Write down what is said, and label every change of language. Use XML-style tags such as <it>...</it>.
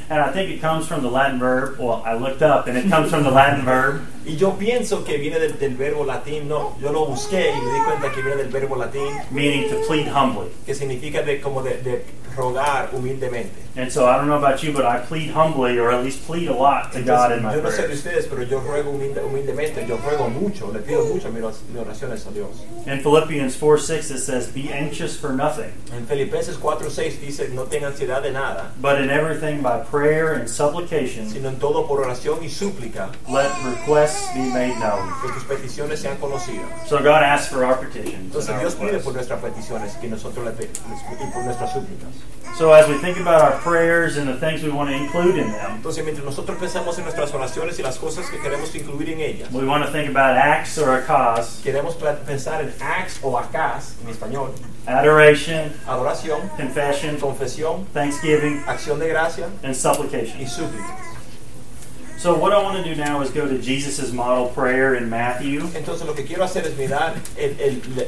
<en>And I think it comes from the Latin verb. Well, I looked up and it comes from the Latin verb.</en> <es>Y yo pienso que viene del verbo latín. No, yo lo busqué y me di cuenta que viene del verbo latín.</es> <en>Meaning to plead humbly.</en> <es>Que significa como de rogar humildemente.</es> <en>And so I don't know about you, but I plead humbly, or at least plead a lot to God in my prayers.</en> <es>Yo no sé de ustedes, pero yo ruego humildemente. Yo ruego mucho, le pido mucho mis oraciones a Dios.</es> <en>In Philippians 4:6 it says, "Be anxious for nothing."</en> <es>En Filipenses 4:6 dice, "No tengan ansiedad de nada."</es> <en>But in everything by prayer and supplication.</en> <es>Sino en todo por oración y súplica.</es> <en>Let requests be made known.</en> <es>Que tus peticiones sean conocidas.</es> <en>So God asks for our petitions.</en> <es>Entonces Dios pide por nuestras peticiones que nosotros le pedimos por nuestras súplicas.</es> <en>So as we think about our prayers and the things we want to include in them.</en> <es>Entonces mientras nosotros pensamos en nuestras oraciones y las cosas que queremos incluir en ellas.</es> <en>We want to think about acts or acts.</en> <es>Queremos pensar en acts o acts en español.</es> <en>Adoration,</en> <es>adoración.</es> <en>Confession,</en> <es>confesión.</es> <en>Thanksgiving,</en> <es>acción de gracia.</es> <en>And supplication,</en> <es>y súplica.</es> <en>So what I want to do now is go to Jesus' model prayer in Matthew.</en> <es>Entonces lo que quiero hacer es mirar el</es>